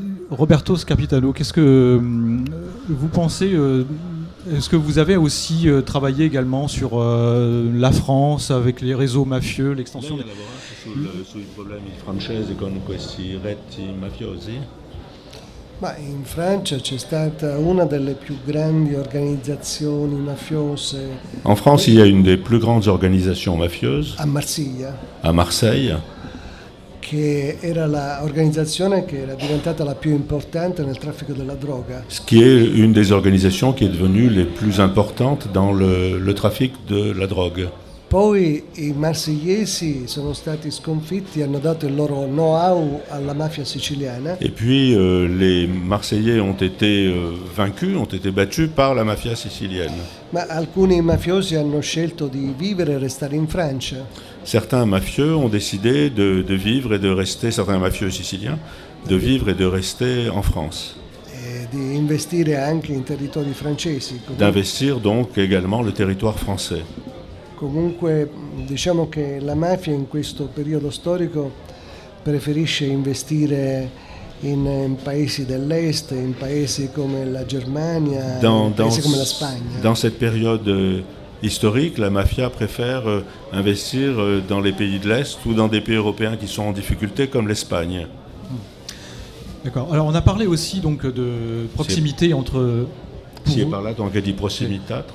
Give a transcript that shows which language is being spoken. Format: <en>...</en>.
<fr>Roberto Scarpitano, qu'est-ce que vous pensez? Est-ce que vous avez aussi travaillé également sur la France avec les réseaux mafieux, l'extension des... sur les problèmes français avec ces réseaux mafieux?</fr> <it>Ma in Francia c'è stata una delle più grandi organizzazioni mafiose.</it> <fr>En France, il y a une des plus grandes organisations mafieuses.</fr> <it>A Marsiglia.</it> <fr>À Marseille.</fr> <it>Che era la organizzazione che era diventata la più importante nel traffico della droga.</it> <fr>Ce qui est une des organisations qui est devenue les plus importantes dans le trafic de la drogue.</fr> <it>Poi i marsigliesi sono stati sconfitti, hanno dato il loro know-how alla mafia siciliana.</it> <fr>Et puis les Marseillais ont été vaincus, ont été battus par la mafia sicilienne.</fr> <it>Ma alcuni mafiosi hanno scelto di vivere e restare in Francia.</it> <fr>Certains mafieux ont décidé de vivre et de rester, certains mafieux siciliens, de vivre et de rester en France. d'investir</fr> <it>anche in territori francesi. Comunque,</it> <fr>d'investir donc également le territoire français.</fr> <it>Comunque diciamo che la mafia in questo periodo storico preferisce investire in paesi dell'est, in paesi come la Germania, paesi come la Spagna.</it> <fr>Dans cette période historique, la mafia préfère investir dans les pays de l'Est ou dans des pays européens qui sont en difficulté comme l'Espagne. D'accord. Alors on a parlé aussi donc de proximité entre... Si est par là, donc elle dit proximité,</fr>